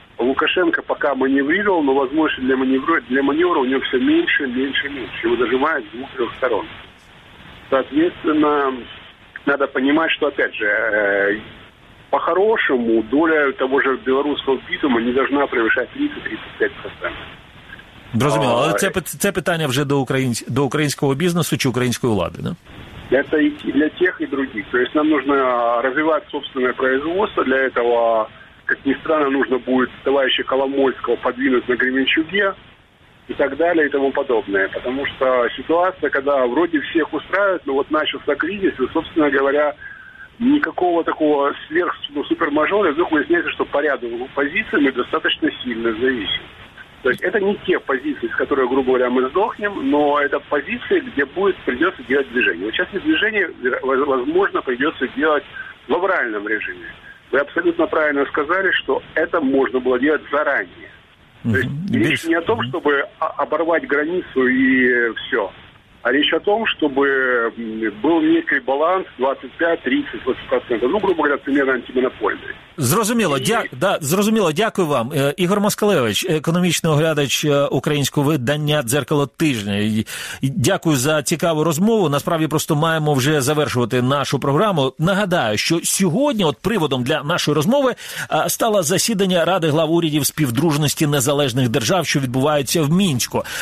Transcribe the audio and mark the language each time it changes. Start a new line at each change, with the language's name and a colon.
Russian: Лукашенко пока маневрировал, но возможности для маневра у него все меньше, меньше, меньше. Его зажимает с двух-трех сторон. Соответственно, надо понимать, что, опять же, по-хорошему доля того же белорусского битума не должна превышать 30-35%.
Ukrainian: Зрозуміло, але це питання вже до українського бізнесу чи української влади, да?
Russian: Это и для тех, и других. То есть нам нужно развивать собственное производство. Для этого, как ни странно, нужно будет товарища Коломойского подвинуть на Кременчуге и так далее и тому подобное. Потому что ситуация, когда вроде всех устраивает, но вот начался кризис, и, собственно говоря, никакого такого сверхсупермажора, вдруг выясняется, что по ряду позиций мы достаточно сильно зависим. То есть это не те позиции, с которых, грубо говоря, мы сдохнем, но это позиции, где будет придется делать движение. Вот сейчас движение, возможно, придется делать в авральном режиме. Вы абсолютно правильно сказали, что это можно было делать заранее. То есть речь не о том, чтобы оборвать границу и все, а речь о том, чтобы был некий баланс 25-30%, ну, грубо говоря, примерно антимонопольный.
Ukrainian: Зрозуміло, зрозуміло, дякую вам. Ігор Москалевич, економічний оглядач українського видання «Дзеркало тижня». Дякую за цікаву розмову. Насправді, просто маємо вже завершувати нашу програму. Нагадаю, що сьогодні от приводом для нашої розмови стало засідання Ради глав урядів Співдружності Незалежних Держав, що відбувається в Мінську.